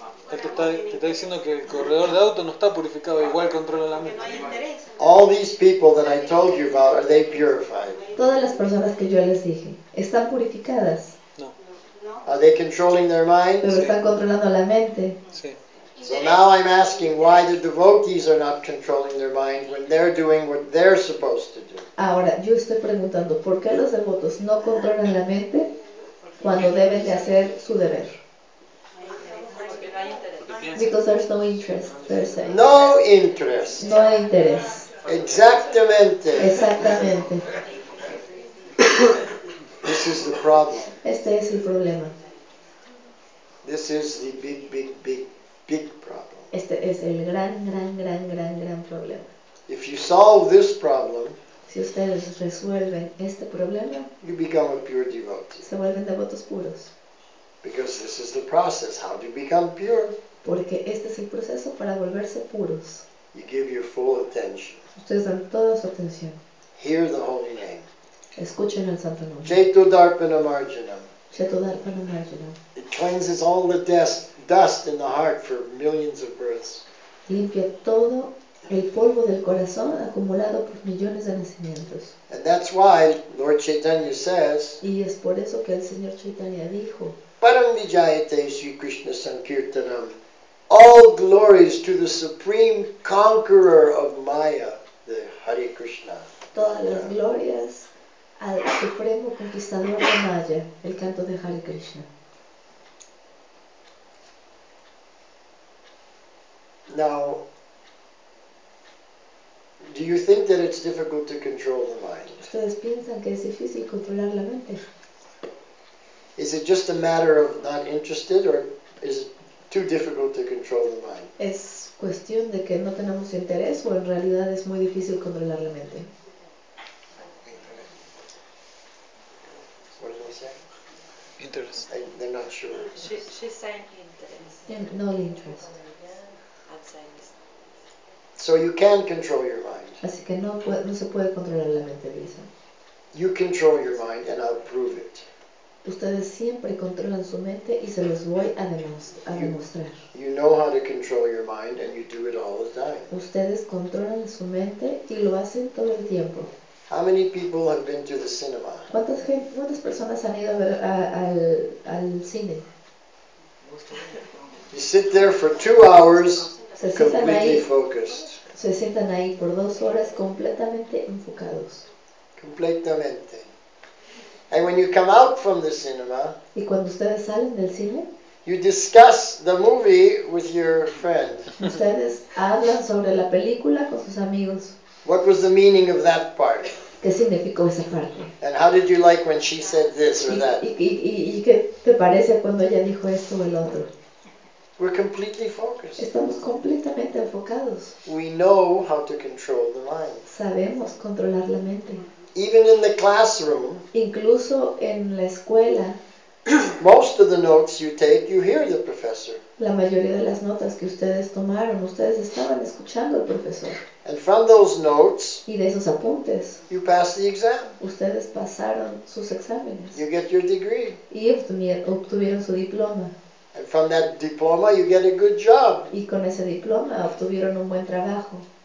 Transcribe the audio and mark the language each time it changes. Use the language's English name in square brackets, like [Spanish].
[Spanish] Te está diciendo que el corredor de auto no está purificado, igual controla la mente. [English] All these people that I told you about, are they purified? [Spanish] Todas las personas que yo les dije, ¿están purificadas? No. [English] Are they controlling their minds? [Spanish] Pero están controlando la mente. Sí. [English] So now I'm asking why the devotees are not controlling their mind when they're doing what they're supposed to do. [Spanish] Ahora, yo estoy preguntando, ¿por qué los devotos no controlan la mente cuando deben de hacer su deber? [English] Because there's no interest, per se. No interest. [Spanish] No interés. Exactamente. Exactamente. [English] This is the problem. [Spanish] Este es el problema. [English] This is the big problem. [Spanish] Este es el gran problema. [English] If you solve this problem, [Spanish] si ustedes resuelven este problema, [English] you become a pure devotee. [Spanish] Se vuelven devotos puros. [English] Because this is the process, how do you become pure? [Spanish] Porque este es el proceso para volverse puros. [English] You give your full attention. [Spanish] Ustedes dan toda su atención. [English] Hear the holy name. [Spanish] Escuchen el santo nombre. [Sanskrit] Jetu Darpanam Arjanam. Jetu Darpanam Arjanam. [English] It cleanses all the dust in the heart for millions of births. [Spanish] Limpia todo el polvo del corazón acumulado por millones de nacimientos. [English] And that's why Lord Chaitanya says. [Spanish] Y es por eso que el señor Chaitanya dijo. [Sanskrit] Param vijayate Sri Krishna Sankirtanam. [English] All glories to the supreme conqueror of Maya, the Hare Krishna. [Spanish] Todas las glorias al supremo conquistador de Maya, el canto de Hare Krishna. [English] Now, do you think that it's difficult to control the mind? [Spanish] ¿Ustedes piensan que es difícil controlar la mente? [English] Is it just a matter of not interested, or is it too difficult to control the mind? [Spanish] Es cuestión de que no tenemos interés o en realidad es muy difícil controlar la mente. [English] What did I say? Interest. They're not sure. She's saying interest. No interest. So you can control your mind. [Spanish] Así que no se puede controlar la mente, Lisa. [English] You control your mind and I'll prove it. [Spanish] Ustedes siempre controlan su mente y se los voy a demostrar. [English] You know how to control your mind and you do it all the time. [Spanish] Ustedes controlan su mente y lo hacen todo el tiempo. [English] How many people have been to the cinema? [Spanish] ¿Cuántas personas han ido a ver al cine? [English] You sit there for 2 hours. [Spanish] Se sientan ahí por 2 horas completamente enfocados. Completamente. [English] And when you come out from the cinema, [Spanish] y cuando ustedes salen del cine, [English] you discuss the movie with your friend. [Spanish] Ustedes hablan sobre la película con sus amigos. [English] What was the meaning of that part? [Spanish] ¿Qué significó esa parte? [English] And how did you like when she said this or that? [Spanish] ¿Y qué te parece cuando ella dijo esto o el otro? [English] We're completely focused. [Spanish] Estamos completamente enfocados. [English] We know how to control the mind. [Spanish] Sabemos controlar la mente. [English] Even in the classroom. [Spanish] Incluso en la escuela. [English] Most of the notes you take, you hear the professor. [Spanish] La mayoría de las notas que ustedes tomaron, ustedes estaban escuchando al profesor. [English] And from those notes. [Spanish] Y de esos apuntes. [English] You pass the exam. [Spanish] Ustedes pasaron sus exámenes. [English] You get your degree. [Spanish] Y obtuvieron su diploma. [English] And from that diploma, you get a good job. [Spanish] Y con ese diploma obtuvieron un buen trabajo.